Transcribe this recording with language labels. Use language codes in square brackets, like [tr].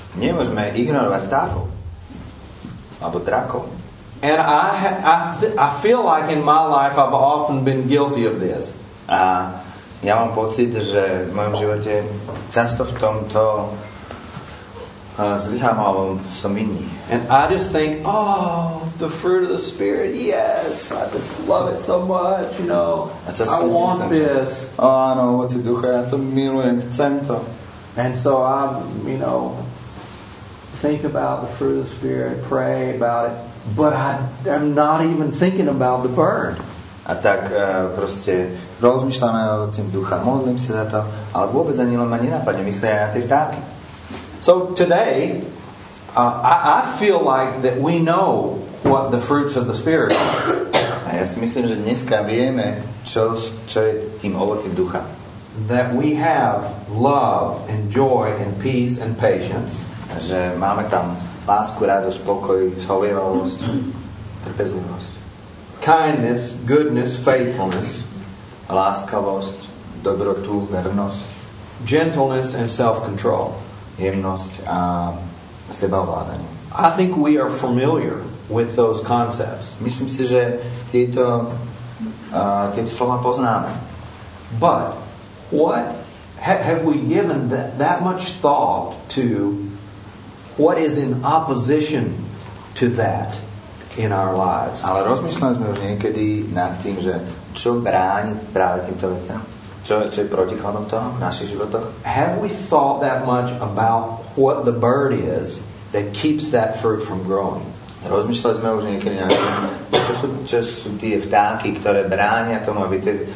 [sk] Nemôžeme ignorovať vtákov alebo drakov. [en] And I feel like in my life I've often been guilty of this. [sk] A ja mám pocit, že v mojom živote často v tomto zlyhám alebo som inný. [en] And I just think, oh, the fruit of the Spirit, yes, I just love it so much, you know. I want this. [sk] Áno, ovocie ducha, ja to milujem, chcem to. [en] And so I'm, you know, think about the fruit of the Spirit, pray about it. But I'm not even thinking about the bird. [sk] A tak proste rozmýšľam na ovocím ducha, modlím sa za to, ale vôbec ani len ma nenapadne, myslím aj na tie vtáky. [en] So today, I feel like that we know what the fruits of the Spirit are. [sk] A ja si myslím, že dneska vieme, čo je tým ovocím ducha. [en] That we have love and joy and peace and patience. [sk] Že máme tam lásku, radosť, pokoj, zhovievavosť, trpezlivosť. [en] Kindness, goodness, faithfulness. [sk] Láskavosť, dobrotu, vernosť. [en] Gentleness and self-control. [sk] Jemnosť a sebaovládanie. [en] I think we are familiar with those concepts. [sk] Myslím si, že tieto slova poznáme. [en] But what have we given that much thought to? What is in opposition to that in our lives? [sk] Ale rozmýšľali sme už niekedy nad tým, že čo bráni práve týmto veciam? Čo je protikladom toho v našich životoch? [en] Have we thought that much about what the bird is that keeps that fruit from growing? [sk] Rozmýšľali sme už niekedy nad tým, čo sú tie vtáky, ktoré bránia tomu, aby tie